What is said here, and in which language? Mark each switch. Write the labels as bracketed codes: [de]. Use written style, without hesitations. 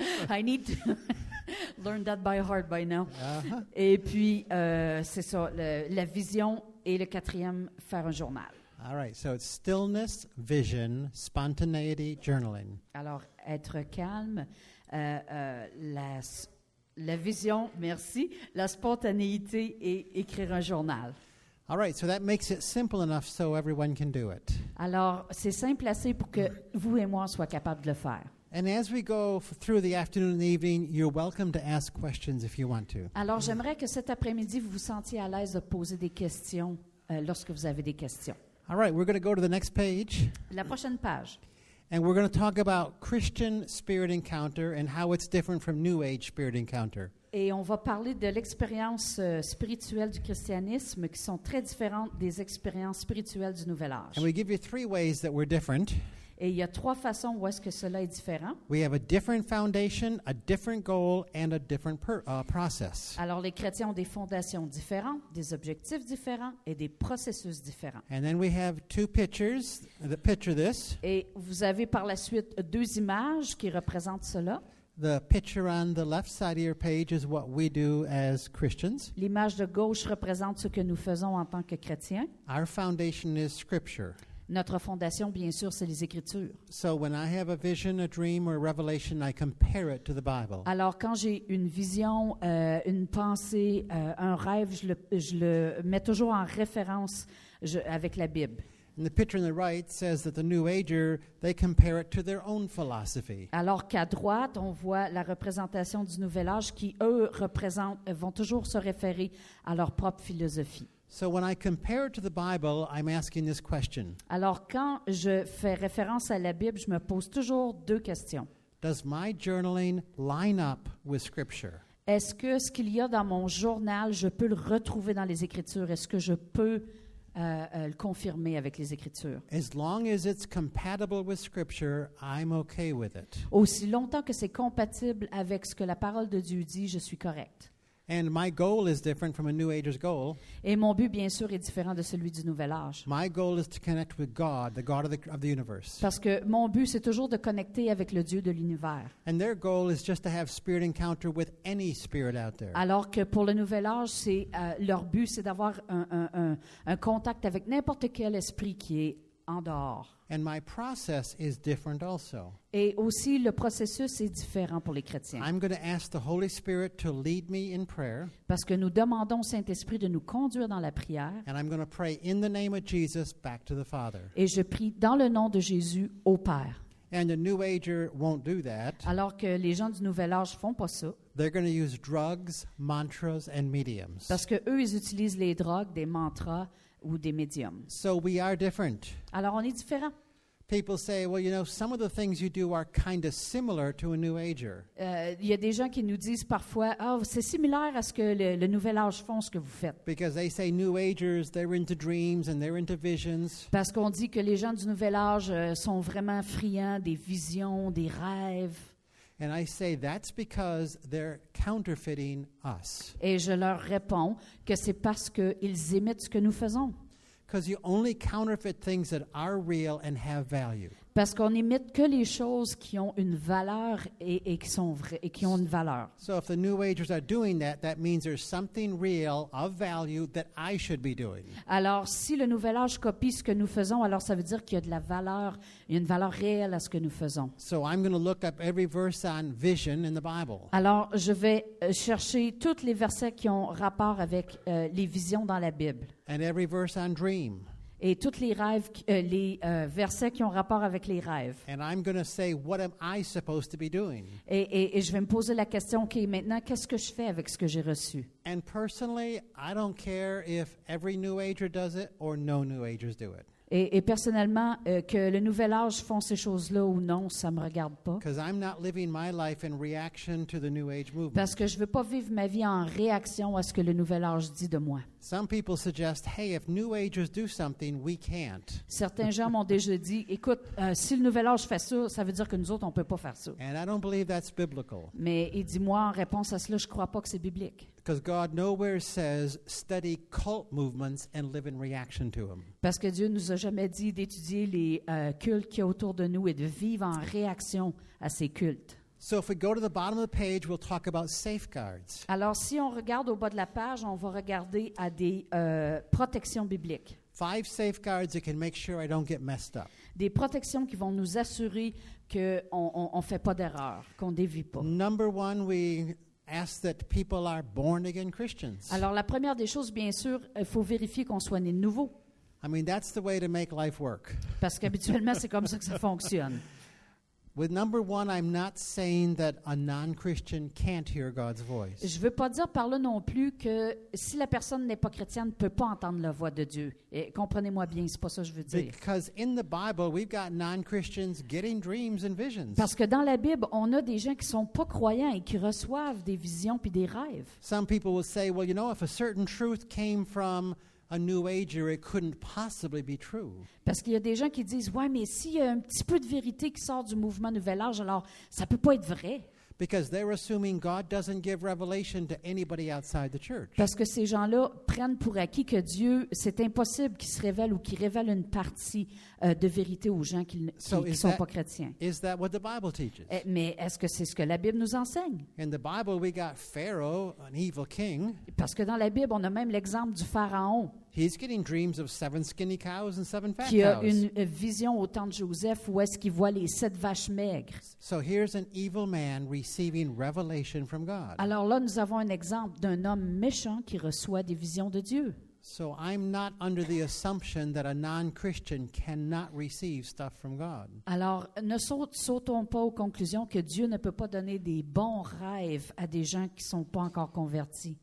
[en] I need to learn that by heart by now. Uh-huh. [fr] Et puis, c'est ça, la vision et le quatrième, faire un journal. [en] All right, so it's stillness, vision, spontaneity, journaling. [fr] Alors, être calme, la vision, merci, la spontanéité et écrire un journal. [en] All right, so that makes it simple enough so everyone can do it. [fr] Alors, c'est simple assez pour que vous et moi soyons capables de le faire. [en] And as we go through the afternoon and the evening, you're welcome to ask questions if you want to. [fr] Alors, j'aimerais que cet après-midi, vous vous sentiez à l'aise de poser des questions lorsque vous avez des questions. [en] All right, we're going to go to the next page. [fr] La prochaine page. [en] And we're going to talk about Christian spirit encounter and how it's different from New Age spirit encounter. [fr] Et on va parler de l'expérience spirituelle du christianisme qui sont très différentes des expériences spirituelles du Nouvel Âge. [en] And we give you three ways that we're different. [fr] Et il y a trois façons où est-ce que cela est différent. [en] We have a different foundation, a different goal, and a different process. [fr] Alors les chrétiens ont des fondations différentes, des objectifs différents et des processus différents. [en] And then we have two pictures that picture this. [fr] Et vous avez par la suite deux images qui représentent cela. [en] The picture on the left side of your page is what we do as Christians. [fr] L'image de gauche représente ce que nous faisons en tant que chrétiens. [en] Our foundation is Scripture. [fr] Notre fondation, bien sûr, c'est les Écritures. [en] So when I have a vision, a dream, or a revelation, I compare it to the Bible. [fr] Alors, quand j'ai une vision, une pensée, un rêve, je le mets toujours en référence avec la Bible. [en] And the picture on the right says that the New Ager, they compare it to their own philosophy. [fr] Alors qu'à droite, on voit la représentation du Nouvel Âge qui, eux, représentent, vont toujours se référer à leur propre philosophie. [en] So when I compare it to the Bible, I'm asking this question. [fr] Alors quand je fais référence à la Bible, je me pose toujours deux questions. [en] Does my journaling line up with Scripture? [fr] Est-ce que ce qu'il y a dans mon journal, je peux le retrouver dans les Écritures? Est-ce que je peux le confirmer avec les Écritures? [en] As long as it's compatible with Scripture, I'm okay with it. [fr] Aussi longtemps que c'est compatible avec ce que la parole de Dieu dit, je suis correct. [en] And my goal is different from a New Ager's goal. [fr] Et mon but, bien sûr, est différent de celui du Nouvel Âge. [en] My goal is to connect with God, the God of the universe. [fr] Parce que mon but, c'est toujours de connecter avec le Dieu de l'univers. [en] And their goal is just to have spirit encounter with any spirit out there. [fr] Alors que pour le Nouvel Âge, c'est leur but, c'est d'avoir un contact avec n'importe quel esprit qui est en dehors. [en] And my process is different also. [fr] Et aussi, le processus est différent pour les chrétiens. [en] I'm going to ask the Holy Spirit to lead me in prayer. [fr] Parce que nous demandons au Saint-Esprit de nous conduire dans la prière. [en] And I'm going to pray in the name of Jesus back to the Father. [fr] Et je prie dans le nom de Jésus au Père. [en] And the New Ager won't do that. [fr] Alors que les gens du Nouvel Âge font pas ça. [en] They're going to use drugs, mantras, and mediums. [fr] Parce que eux, ils utilisent les drogues, des mantras ou des médiums. [en] So we are different. [fr] Alors on est différent. [en] People say, well, you know, some of the things you do are kind of similar to a New Ager. [fr] Il y a des gens qui nous disent parfois, oh, c'est similaire à ce que le Nouvel Âge font, ce que vous faites. [en] Because they say New Agers, they're into dreams and they're into visions. [fr] Parce qu'on dit que les gens du Nouvel Âge sont vraiment friands des visions, des rêves. [en] And I say that's because they're counterfeiting us. [fr] Et je leur réponds que c'est parce qu'ils imitent ce que nous faisons. [en] Because you only counterfeit things that are real and have value. [fr] Parce qu'on imite que les choses qui ont une valeur et qui sont vraies et qui ont une valeur. [en] So if the New Agers are doing that, that means there's something real of value that I should be doing. [fr] Alors si le Nouvel Âge copie ce que nous faisons, alors ça veut dire qu'il y a de la valeur, il y a une valeur réelle à ce que nous faisons. [en] So I'm going to look up every verse on vision in the Bible. [fr] Alors je vais chercher tous les versets qui ont rapport avec les visions dans la Bible. [en] And every verse on dream. [fr] Et tous les rêves, les versets qui ont rapport avec les rêves. [en] And I'm going to say, what am I supposed to be doing? [fr] Et je vais me poser la question, OK, maintenant, qu'est-ce que je fais avec ce que j'ai reçu? [en] And personally, I don't care if every New Ager does it or no New Agers do it. [fr] Et personnellement, que le Nouvel Âge font ces choses-là ou non, ça ne me regarde pas. Parce que je ne veux pas vivre ma vie en réaction à ce que le Nouvel Âge dit de moi. [en] Some people suggest, hey, if New Agers do something, we can't. [fr] Certains gens m'ont déjà dit, écoute, si le Nouvel Âge fait ça, ça veut dire que nous autres, on ne peut pas faire ça. [en] And I don't believe that's biblical. [fr] Mais il dit, moi, en réponse à cela, je ne crois pas que c'est biblique. [en] Because God nowhere says study cult movements and live in reaction to them. [fr] Parce que Dieu nous a jamais dit d'étudier les cultes qui sont autour de nous et de vivre en réaction à ces cultes. [en] So if we go to the bottom of the page, we'll talk about safeguards. [fr] Alors si on regarde au bas de la page, on va regarder à des protections bibliques. [en] Five safeguards that can make sure I don't get messed up. [fr] Des protections qui vont nous assurer que on fait pas d'erreur, qu'on dévie pas. [en] Number one, we ask that people are born again Christians. [fr] Alors la première des choses, bien sûr, il faut vérifier qu'on soit né de nouveau. [en] I mean, that's the way to make life work. [fr] Parce qu'habituellement, c'est comme ça que ça fonctionne. [en] With number one, I'm not saying that a non-Christian can't hear God's voice. [fr] Je veux pas dire par là non plus que si la personne n'est pas chrétienne, peut pas entendre la voix de Dieu. Et comprenez-moi bien, c'est pas ça que je veux dire. [en] Because in the Bible, we've got non-Christians getting dreams and visions. [fr] Parce que dans la Bible, on a des gens qui sont pas croyants et qui reçoivent des visions puis des rêves. [en] Some people will say, well, you know, if a certain truth came from a New Ager, it couldn't possibly be true. [fr] Parce qu'il y a des gens qui disent, ouais, mais s'il y a un petit peu de vérité qui sort du mouvement Nouvel Âge, alors ça peut pas être vrai. [en] Because they're assuming God doesn't give revelation to anybody outside the church. [fr] Parce que ces gens-là prennent pour acquis que Dieu, c'est impossible qu'il se révèle ou qu'il révèle une partie de vérité aux gens qui sont pas chrétiens. [en] Is that what the Bible teaches? [fr] Mais est-ce que c'est ce que la Bible nous enseigne? [en] In the Bible, we got Pharaoh, an evil king. [fr] Parce que dans la Bible, on a même l'exemple du Pharaon. [en] He's getting dreams of seven skinny cows and seven fat cows. [fr] Qui a une vision au temps de Joseph où est-ce qu'il voit les sept vaches maigres. [en] So here's an evil man receiving revelation from God. [fr] Alors là, nous avons un exemple d'un homme méchant qui reçoit des visions de Dieu. [en] So I'm not under the assumption that a non-Christian cannot receive stuff from God. [fr] Alors, ne sautons pas aux conclusions que Dieu ne peut pas donner des bons rêves à des gens qui ne sont pas encore convertis.